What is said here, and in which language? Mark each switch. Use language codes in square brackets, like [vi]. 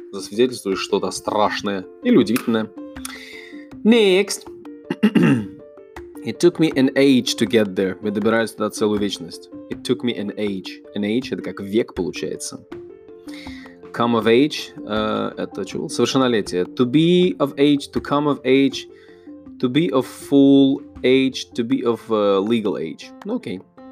[ru] Засвидетельствует что-то страшное или удивительное. [en] Next. It took me an age to get there. [ru] Мы добирались туда целую вечность. [en] It took me an age. An age — [ru] это как век получается. [en] Come of age, [ru] это что? Совершеннолетие. [en] To be of age, to come of age, to be of full age, to be of legal age. [ru] Ну, окей.